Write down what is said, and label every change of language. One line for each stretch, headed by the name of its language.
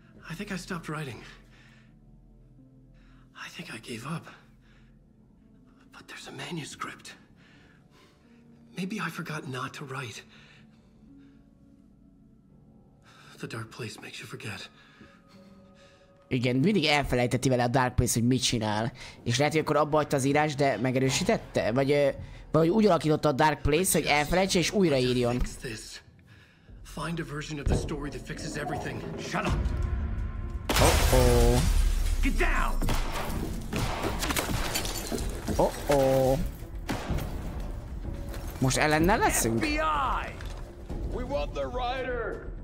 English: I think I stopped writing. I think I gave up. But there's a manuscript. Maybe I forgot not to write. The dark place makes you forget.
Hungarian: Igen, mindig elfelejteti vele a Dark Place, hogy mit csinál. És lehet, hogy akkor abba hagyta az írás, de megerősítette? Vagy úgy alakította a Dark Place, hogy elfelejtse és újraírjon.
English: Find a version of the story that fixes everything. Shut up! Oh-oh. Get down! Oh-oh.
Hungarian: Most ellennel leszünk?
English: FBI! We want the rider!